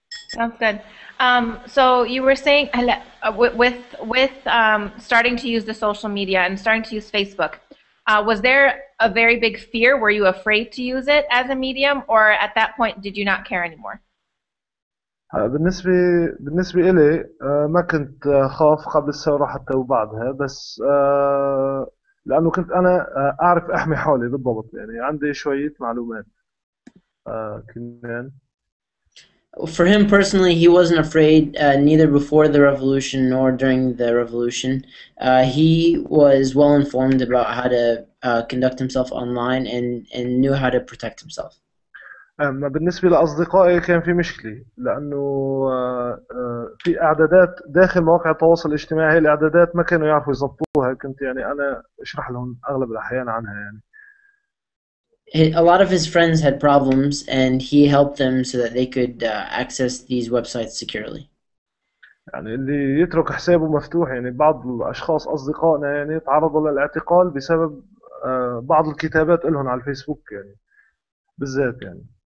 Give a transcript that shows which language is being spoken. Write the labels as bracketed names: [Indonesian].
[English] sounds good. So you were saying with starting to use the social media and starting to use Facebook. Was there a very big fear? Were you afraid to use it as a medium, or at that point did you not care anymore? [Arabic] بالنسبة إلي ما كنت خاف قبل الثورة حتى وبعدها، بس لأنه كنت أنا أعرف أحمي حالي بالضبط، يعني عندي شوية معلومات كمان. [English] For him personally, he wasn't afraid neither before the revolution nor during the revolution. He was well informed about how to conduct himself online and knew how to protect himself. [Arabic] أما بالنسبة لأصدقائي كان في مشكلة، لأنه في إعدادات داخل مواقع التواصل الاجتماعي، الإعدادات ما كانوا يعرفوا يظبطوها، كنت يعني أنا أشرح لهم أغلب الأحيان عنها يعني. [English] A lot of his friends had problems, and he helped them so that they could access these websites securely. [Arabic] يعني اللي يترك حسابه مفتوح، يعني بعض الأشخاص أصدقائنا يعني تعرضوا للاعتقال بسبب بعض الكتابات لهم على الفيسبوك يعني بالذات يعني.